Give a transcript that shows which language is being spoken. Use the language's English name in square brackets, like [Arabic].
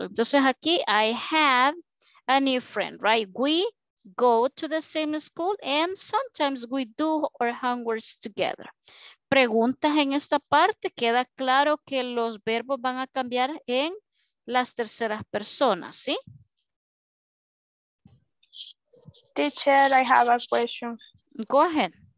[Spanish] Entonces, aquí, [English] I have a new friend, ¿right? We go to the same school and sometimes we do our homeworks together. [Spanish] Preguntas en esta parte, queda claro que los verbos van a cambiar en las terceras personas, ¿sí? [English] Teacher, I have a question. Go ahead.